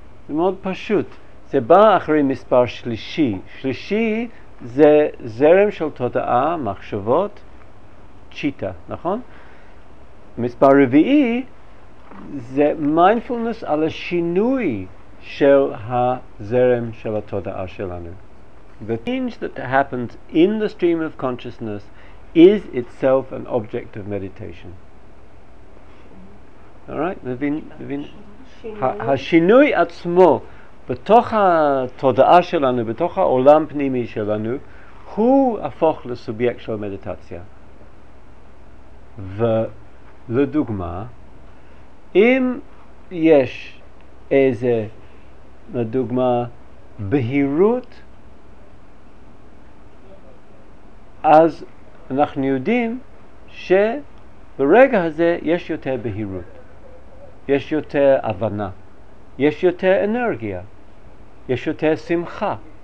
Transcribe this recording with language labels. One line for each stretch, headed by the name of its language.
Hebrew: זה מאוד פשוט, זה בא אחרי מספר שלישי. שלישי זה זרם של תודעה, מחשבות, צ'יטה, נכון? מספר רביעי זה מיינדפולנס על השינוי של הזרם של התודעה שלנו.
English: The change that happens in the stream of consciousness is itself an object of meditation.
Hebrew: Alright? מבין? השינוי עצמו בתוך התודעה שלנו, בתוך העולם פנימי שלנו, הוא הפוך לסובייקט של מדיטציה. ולדוגמה, אם יש איזה, לדוגמה, בהירות, אז אנחנו יודעים שברגע הזה יש יותר בהירות, יש יותר הבנה, יש יותר אנרגיה, יש יותר שמחה.